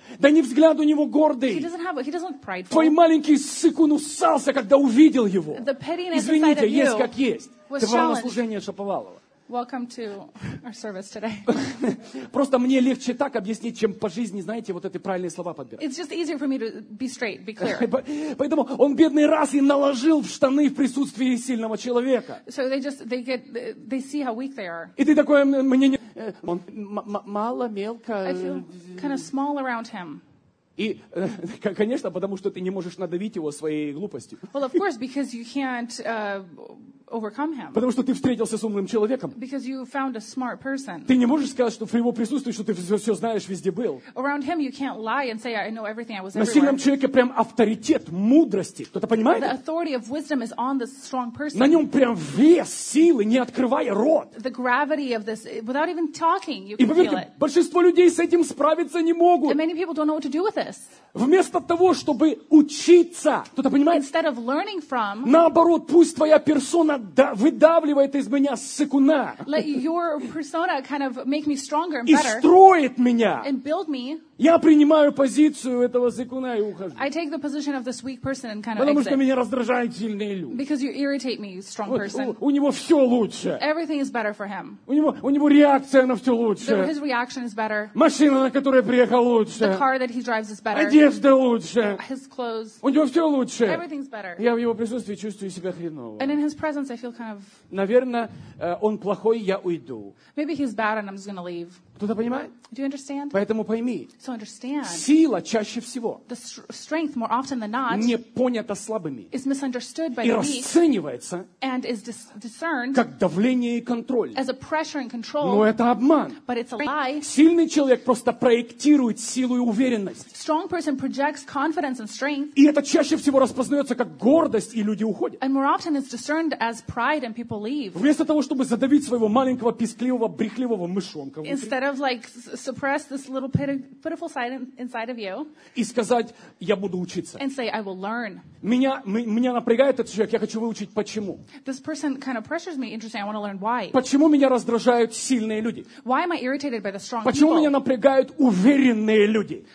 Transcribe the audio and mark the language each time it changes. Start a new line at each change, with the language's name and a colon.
Russian: Да не взгляд у него гордый.
English: He doesn't have, he doesn't look prideful.
Russian: Твой маленький сыкун усался, когда увидел его.
English: The pettiness
Russian: извините,
English: inside
Russian: есть
English: of you
Russian: как есть. Это на служение Шаповалова.
English: Welcome to our service today.
Russian: Просто мне легче так объяснить, чем по жизни, знаете, вот эти правильные слова подбирать.
English: It's just easier for me to be straight, be clear.
Russian: Поэтому он бедный раз и наложил в штаны в присутствии сильного человека.
English: So they just they get they see how weak they are.
Russian: И ты такое мнение. Он мало мелко.
English: I feel kind of small around him.
Russian: И, конечно, потому что ты не можешь надавить его своей глупостью.
English: Well, of course, because you can't overcome him.
Russian: Потому что ты встретился с умным человеком.
English: Because you found a smart person.
Russian: Ты не можешь сказать, что в его присутствии, что ты все знаешь, везде был.
English: Around him you can't lie and say I know everything, I was everywhere.
Russian: На сильном человеке прям авторитет мудрости. Кто-то понимает?
English: The authority of wisdom is on this strong person.
Russian: На нем прям вес силы, не открывая рот.
English: The gravity of this, without even talking, you can feel it.
Russian: И поверьте, большинство людей с этим справиться не могут.
English: And many people don't know what to do with it.
Russian: Вместо того, чтобы учиться, кто-то понимает?
English: Instead of learning from,
Russian: наоборот, пусть твоя персона выдавливает из меня сыкуна.
English: Let your persona kind of make me stronger and better.
Russian: И строит меня.
English: And build me.
Russian: Я принимаю позицию этого сыкуна и ухожу.
English: I take the position of this weak person and kind of
Russian: потому
English: exit.
Russian: Что меня раздражают сильные люди.
English: Because you irritate me, strong
Russian: вот,
English: person.
Russian: У него все лучше.
English: Everything is better for him.
Russian: У него реакция на все лучше.
English: His reaction is better.
Russian: Машина, на которой приехал, лучше.
English: The car that he drives is better.
Russian: Одежда лучше.
English: His clothes.
Russian: У него все лучше.
English: Everything's better.
Russian: Я в его присутствии чувствую себя хреново.
English: And in his presence I feel kind of...
Russian: Наверное, он плохой, я уйду.
English: Maybe he's bad and I'm just going to leave.
Russian: Кто-то понимает?
English: Do you understand?
Russian: Поэтому пойми.
English: So understand.
Russian: Сила чаще всего.
English: The strength more often than not.
Russian: Не понята слабыми.
English: Is misunderstood by the weak.
Russian: И расценивается.
English: And is discerned.
Russian: Как давление и контроль.
English: As a pressure and control.
Russian: Но это обман.
English: But it's a lie.
Russian: Сильный человек просто проектирует силу и уверенность.
English: Strong person projects confidence and strength.
Russian: И это чаще всего распознается как гордость, и люди уходят.
English: And more often it's discerned as pride and people leave.
Russian: Вместо того, чтобы задавить своего маленького пискливого брехливого мышонка.
English: Instead of like suppress this little pitiful side inside of you.
Russian: И сказать, я буду учиться.
English: And say, I will learn.
Russian: Меня напрягает этот человек, я хочу выучить почему.
English: This person kind of pressures me, interesting, I want to learn why.
Russian: Почему меня раздражают сильные люди?
English: Why am I irritated by the strong
Russian: почему
English: people?
Russian: Меня напрягают уверенные люди?